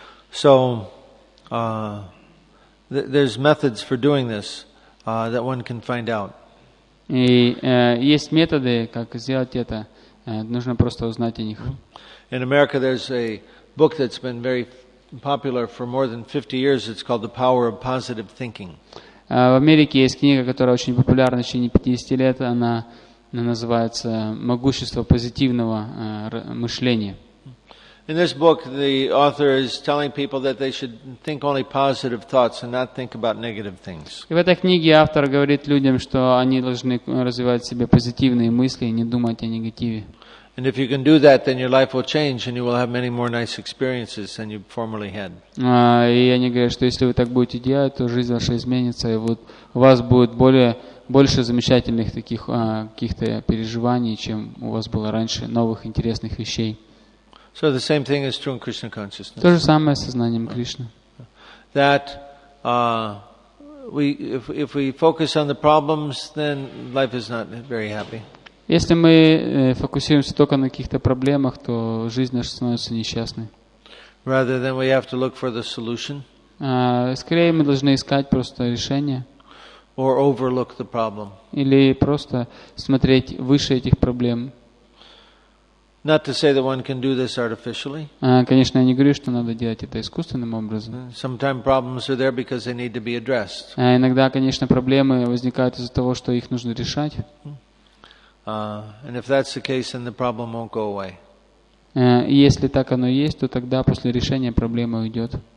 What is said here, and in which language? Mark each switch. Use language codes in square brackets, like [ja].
[en] So, there's methods for doing this that one can find out. [ru] И есть методы, как сделать это. Нужно просто узнать о них. [en] In America, there's a book that's been very popular for more than 50 years. It's called The Power of Positive Thinking. [ru] В Америке есть книга, которая очень популярна в течение 50 лет. Она называется «Могущество позитивного мышления». [en] In this book, the author is telling people that they should think only positive thoughts and not think about negative things. [ru] И в этой книге автор говорит людям, что они должны развивать в себе позитивные мысли и не думать о негативе. [en] And if you can do that, then your life will change and you will have many more nice experiences than you formerly had. [ru] И они говорят, что если вы так будете делать, то жизнь ваша изменится, и вот у вас будет более больше замечательных таких каких-то переживаний, чем у вас было раньше, новых интересных вещей. [en] So the same thing is true in Krishna consciousness. [ru] То же самое с сознанием Кришны. [en] That if we focus on the problems, then life is not very happy. [ru] Если мы фокусируемся только на каких-то проблемах, то жизнь наша становится несчастной. [en] Rather than we have to look for the solution. [ru] Скорее мы должны искать просто решение. [en] Or overlook the problem. [ru] Или просто смотреть выше этих проблем. [en] Not to say that one can do this artificially. [ru] Конечно, я не говорю, что надо делать это искусственным образом. [en] Sometimes problems are there because they need to be addressed. [ru] Иногда, конечно, проблемы возникают из-за того, что их нужно решать. [en] And if that's the case, then the problem won't go away. [ru] Если так оно есть, то тогда после решения проблема уйдет.